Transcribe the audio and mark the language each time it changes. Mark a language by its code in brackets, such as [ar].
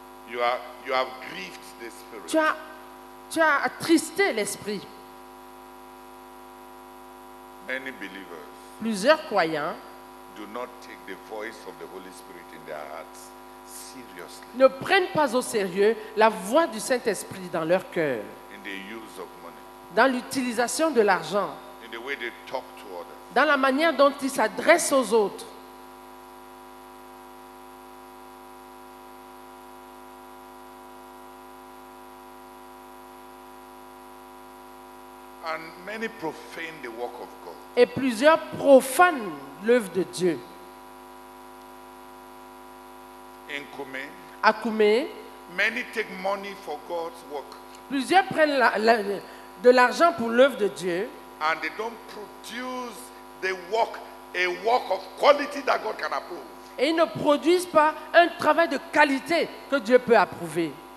[en] You have grieved the spirit. [fr] Tu as attristé l'esprit. [en] Many believers. [fr] Plusieurs croyants. [en] Do not take the voice of the Holy Spirit in their hearts seriously. [fr] Ne prennent pas au sérieux la voix du Saint-Esprit dans leur cœur. [en] In the use of money. [fr] Dans l'utilisation de l'argent. [en] In the way they talk to others. [fr] Dans la manière dont ils s'adressent aux autres. [en] And many profane the work of God. [fr] Et plusieurs profanent l'œuvre de Dieu. [en] In KOUME, [fr] à KOUME, [en] many take money for God's work. [fr] Plusieurs prennent de l'argent pour l'œuvre de Dieu. [en] And they don't produce the work, a work of quality that God can approve. [fr] Et ils ne produisent pas un travail de qualité que Dieu peut approuver.